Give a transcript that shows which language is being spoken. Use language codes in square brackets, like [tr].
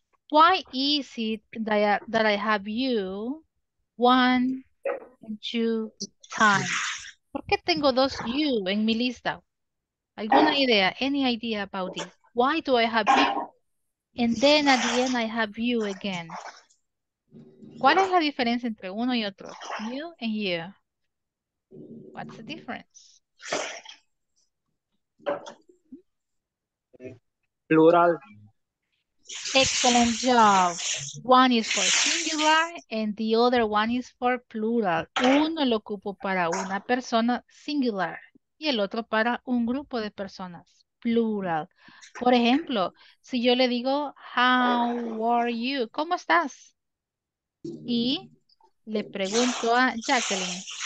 [en] Why is it that I have you one and two times? [es] ¿Por qué tengo dos you en mi lista? ¿Alguna idea? [en] Any idea about this? Why do I have you and then at the end I have you again? [es] ¿Cuál es la diferencia entre uno y otro? [en] You and you. What's the difference? Plural. Excellent job. One is for singular and the other one is for plural. [es] Uno lo ocupo para una persona singular y el otro para un grupo de personas plural. Por ejemplo, si yo le digo [en] how are you, [es] ¿cómo estás? Y le pregunto a Jacqueline,